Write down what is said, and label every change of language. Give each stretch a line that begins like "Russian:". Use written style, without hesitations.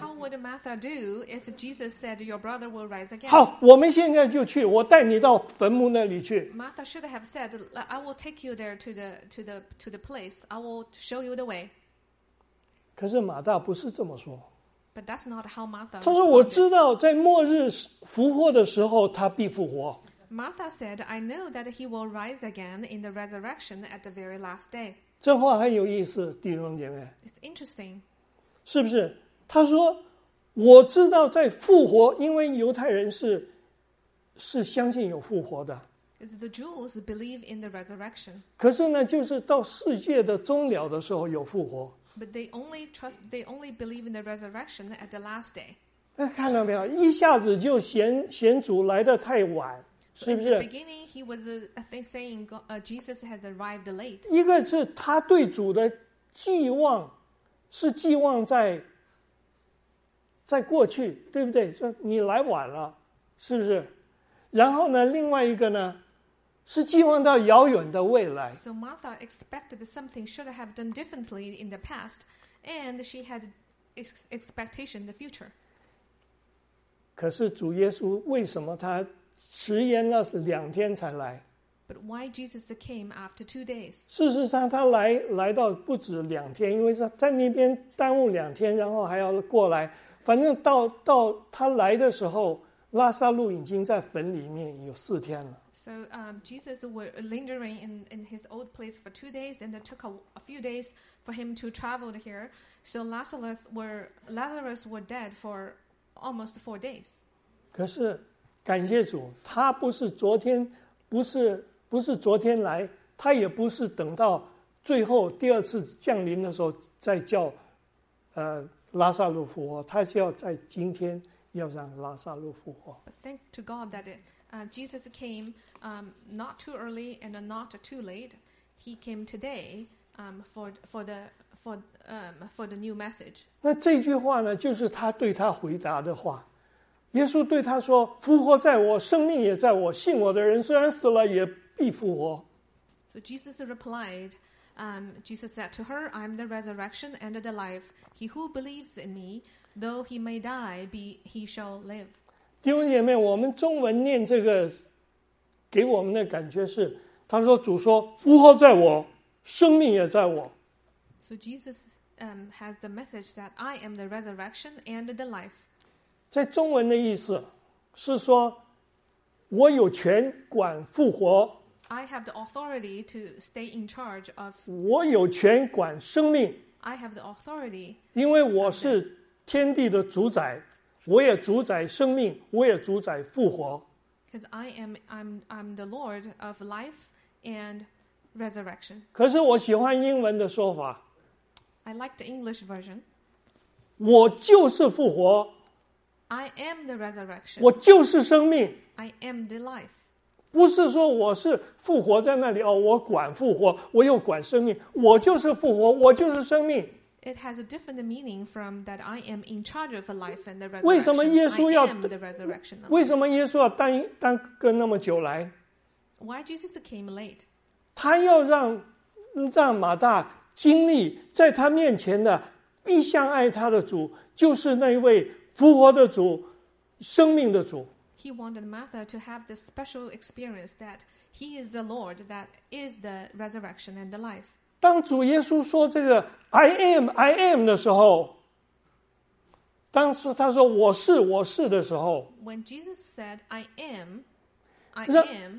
English: How would Martha do if Jesus said your brother will rise again?
Chinese: 好，我们现在就去，我带你到坟墓那里去。
English: Martha should have said, I will take you there to the place. I will show you the way.
Chinese: 可是马大不是这么说。
English: But that's not how Martha.
Chinese: 他说：“我知道，在末日复活的时候，他必复活。”
English: Martha said, "I know that he will rise again in the resurrection at the very last day."
Chinese: 这话很有意思，弟兄姐妹。
English: It's interesting.
Chinese: 是不是？他说：“我知道，在复活，因为犹太人是相信有复活的。”
English: Is the Jews believe in the resurrection?
Chinese: 可是呢，就是到世界的终了的时候有复活。
English: But they only believe in the resurrection at the last day.
Chinese: 看到没有？一下子就嫌主来的太晚，是不是
English: ？In the beginning, he was saying Jesus has arrived late.
Chinese: 一个是他对主的寄望，是寄望在过去，对不对？说你来晚了，是不是？然后呢，另外一个呢？是寄望到遥远的未来。
English: So Martha expected something should have done differently in the past, and she had expectation in the future.
Chinese: 可是主耶稣为什么他迟延了两天才来
English: ？But why Jesus came after 2 days?
Chinese: 事实上，他来到不止两天，因为在那边耽误两天，然后还要过来。反正到他来的时候，拉撒路已经在坟里面有四天了。
English: So Jesus was lingering in his old place for 2 days, and it took a few days for him to travel here. So Lazarus was dead for almost 4 days.
Chinese: 可是，感谢主，他不是昨天来，他也不是等到最后第二次降临的时候再叫，拉撒路复活，他是要在今天要让拉撒路复活。
English: But thank to God that it. Jesus came not too early and not too late. He came today for the for the new message.
Chinese: 那这句话呢，就是他对他回答的话。耶稣对他说：“复活在我，生命也在我。信我的人，虽然死了，也必复活。”
English: So Jesus replied, Jesus said to her, "I am the resurrection and the life. He who believes in me, though he may die, he shall live."
Chinese: 弟兄姐妹，我们中文念这个，给我们的感觉是，他说：“主说，复活在我，生命也在我。”
English: So Jesus has the message that I am the resurrection and the life.
Chinese: 在中文的意思是说，我有权管复活。
English: I have the authority to stay in charge of.
Chinese: 我有权管生命。
English: I have the authority.
Chinese: 因为我是天地的主宰，我也主宰生命，我也主宰复活。
English: Because I'm the Lord of life and resurrection.
Chinese: 可是我喜欢英文的说法。
English: I like the English version.
Chinese: 我就是复活。
English: I am the resurrection.
Chinese: 我就是生命。
English: I am the life.
Chinese: 不是说我是复活在那里，哦，我管复活，我又管生命，我就是复活，我就是生命。
English: It has a different meaning from that I am in charge of life and the resurrection.
Chinese: 为什么耶稣要
English: I am the resurrection.
Chinese: 为什么耶稣要耽搁那么久来？
English: Why Jesus came late?
Chinese: 他要让马大经历在他面前的一向爱他的主，就是那位复活的主，生命的主。
English: He wanted Martha to have this special experience that he is the Lord, that is the resurrection and the life.
Chinese: 当主耶稣说这个
English: I am, I am
Chinese: 的时候，当时他说我是，我是的时候，
English: When Jesus said I am, I am，